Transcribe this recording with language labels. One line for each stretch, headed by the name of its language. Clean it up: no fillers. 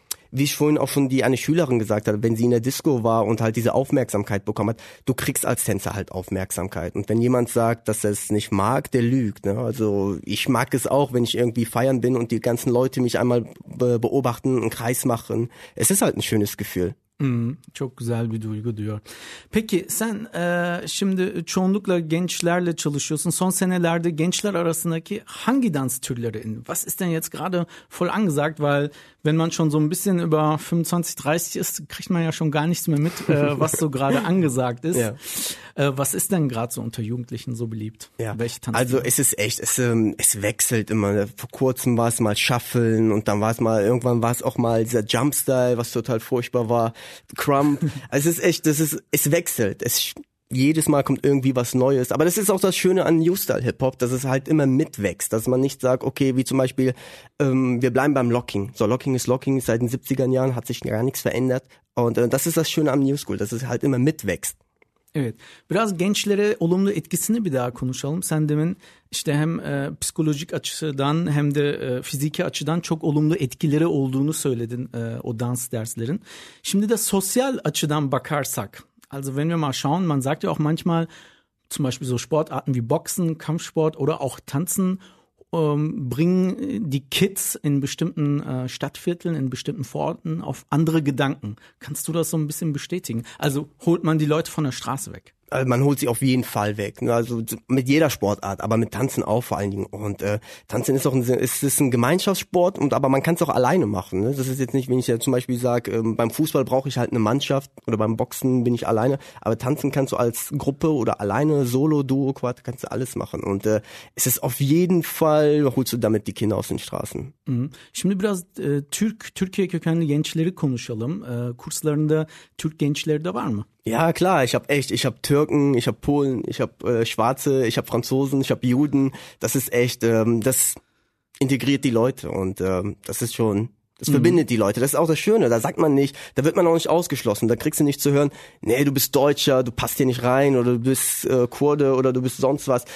German: wie ich vorhin auch schon die eine Schülerin gesagt habe, wenn sie in der Disco war und halt diese Aufmerksamkeit bekommen hat, du kriegst als Tänzer halt Aufmerksamkeit. Und wenn jemand sagt, dass er es nicht mag, der lügt, ne? Also ich mag es auch, wenn ich irgendwie feiern bin und die ganzen Leute mich einmal beobachten, einen Kreis machen. Es ist halt ein schönes Gefühl.
Turkish: Çok güzel bir duygu diyor. Peki sen şimdi çoğunlukla gençlerle çalışıyorsun. Son senelerde gençler arasındaki hangi dans türleri?
German: Was ist denn jetzt gerade voll angesagt? Weil wenn man schon so ein bisschen über 25, 30 ist, kriegt man ja schon gar nichts mehr mit, was so gerade angesagt ist. Ja. Was ist denn gerade so unter Jugendlichen so beliebt? Ja. Welche Tanz? Also es ist echt, es wechselt immer. Vor kurzem war es mal Shufflen und dann war es mal, irgendwann war es auch mal dieser Jumpstyle, was total furchtbar war. Crump, also es ist echt, es wechselt, jedes Mal kommt irgendwie was Neues, aber das ist auch das Schöne an New Style Hip Hop, dass es halt immer mitwächst, dass man nicht sagt, okay, wie zum Beispiel, wir bleiben beim Locking, so Locking ist Locking, seit den 70er Jahren hat sich gar nichts verändert und das ist das Schöne am New School, dass es halt immer mitwächst.
Turkish: Evet, biraz gençlere olumlu etkisini bir daha konuşalım. Sen demin işte hem psikolojik açıdan hem de fiziki açıdan çok olumlu etkileri olduğunu söyledin o dans derslerin. Şimdi de sosyal açıdan bakarsak,
German: also wenn wir mal schauen, man sagt ja auch manchmal zum Beispiel so Sportarten wie Boxen, Kampfsport oder auch Tanzen bringen die Kids in bestimmten Stadtvierteln, in bestimmten Vororten auf andere Gedanken. Kannst du das so ein bisschen bestätigen? Also holt man die Leute von der Straße weg? Also man holt sie auf jeden Fall weg. Also mit jeder Sportart, aber mit Tanzen auch vor allen Dingen. Und Tanzen ist auch ein Gemeinschaftssport, aber man kann es auch alleine machen. Ne? Das ist jetzt nicht, wenn ich ja zum Beispiel sage, beim Fußball brauche ich halt eine Mannschaft oder beim Boxen bin ich alleine. Aber Tanzen kannst du als Gruppe oder alleine, Solo, Duo, Quad, kannst du alles machen. Und es ist auf jeden Fall, holst du damit die Kinder aus den Straßen.
Turkish: Şimdi biraz Türkiye kökenli gençleri konuşalım. Kurslarında Türk gençleri de var mı?
German: Ja klar, ich hab Türken, ich hab Polen, ich hab Schwarze, ich hab Franzosen, ich hab Juden. Das ist echt, das integriert die Leute und das ist schon, das verbindet die Leute. Das ist auch das Schöne, da sagt man nicht, da wird man auch nicht ausgeschlossen, da kriegst du nicht zu hören, nee, du bist Deutscher, du passt hier nicht rein oder du bist Kurde oder du bist sonst was.